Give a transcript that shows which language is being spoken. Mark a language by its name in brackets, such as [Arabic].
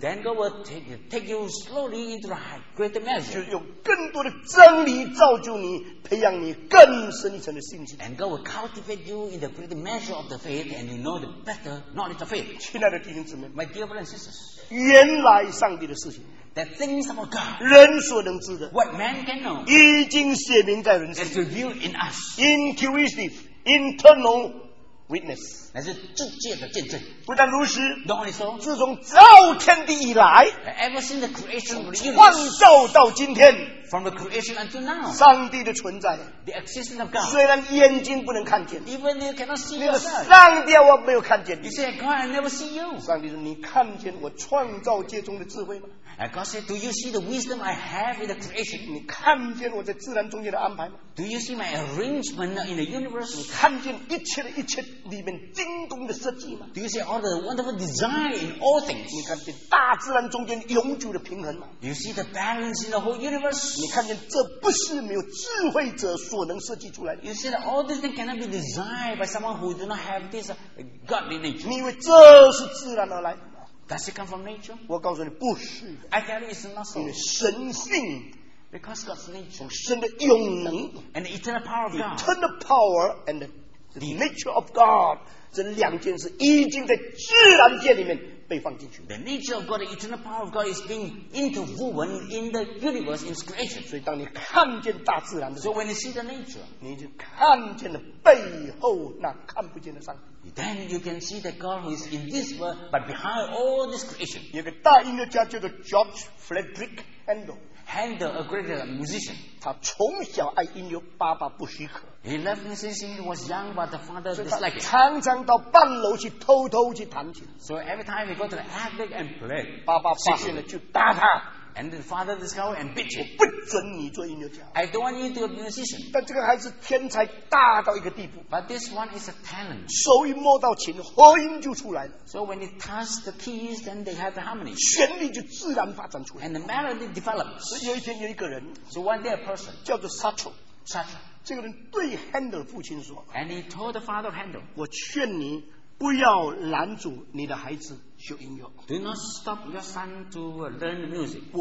[English] then God will take you slowly into the greater measure. [Chinese] 就有更多的 真理造就你, 培养你更深一层的信心, [English] and God will cultivate you in the great measure of the faith, and you know the better knowledge of faith. [Chinese] 亲爱的弟兄姊妹, [English] my dear brothers and sisters, [Chinese] 原来上帝的事情, [English] the things of God, [Chinese] 人所能知的, [English] what man can know, [Chinese] 已经写明在人心, [English] is revealed in us. Intuitive, internal witness, [Chinese] 乃是自界的见证, 不但如实, [English] not only so, [Chinese] 自从造天地以来, [English] ever since the creation of the universe, [Chinese] 创造到今天, [English] from the creation until now, [Chinese] 上帝的存在, [English] the existence of God, [Chinese] 虽然眼睛不能看见, [English] even you cannot see yourself, [Chinese] 那个上帝我没有看见你, [English] you say, God, I never see you. [Chinese] 上帝说, 你看见我创造界中的智慧吗? [English] And God said, do you see the wisdom I have in the creation? [Chinese] 你看见我在自然中间的安排吗? [English] Do you see my arrangement in the universe? [Chinese] 你看见一切的一切里面精工的设计吗? [English] Do you see all the wonderful design in all things? [Chinese] 你看见大自然中间永久的平衡吗? [English] Do you see the balance in the whole universe? [Chinese] 你看见这不是没有智慧者所能设计出来的? [English] You see that all these things cannot be designed by someone who do not have this godly nature. [Chinese] 你以为这是自然而来? [English] Does it come from nature? [Chinese] 我告诉你, [English] I tell you, it's not so. [Chinese] 因为神性, [English] because God's nature, [Chinese] 从神的永能, [English] and the eternal power of God, eternal power and the nature of God, [Chinese] 这两件事已经在自然界里面被放进去, [English] the nature of God, the eternal power of God is being interwoven in the universe, in creation. [Chinese] 所以当你看见大自然的, [English] so when you see the nature, [Chinese] 你就看见了背后那看不见的上帝, [English] then you can see that God who is in this world, but behind all this creation. [Chinese] 有个大音乐家叫做 George Frederick Handel. [English] Handel, a great musician. [Chinese] 他从小爱音乐, 爸爸不许可。 [English] He left music since he was young, but the father disliked it. [Chinese] 常常到半楼去偷偷去弹琴。 [English] So every time he go to the attic and play, [Chinese] 爸爸发现了就打他。 [English] And the father discovered and beat him. [Chinese] 我不准你做音乐家。 [English] I don't want you to be a musician. [Chinese] 但这个孩子天才大到一个地步。 [English] But this one is a talent. [Chinese] 手一摸到琴, 和音就出来了。 [English] So when he touched the keys, then they have the harmony. [Chinese] 旋律就自然发展出来。 [English] And the melody develops. [Chinese] 有一天有一个人, [English] so one day a person, [Chinese] 叫做Satchel, [English] Satchel, [Chinese] 这个人对 Handel父亲说, [English] and he told the father of Handel, [Chinese] 我劝你, 不要拦阻你的孩子学音乐。 [English] Do not stop your son to learn music.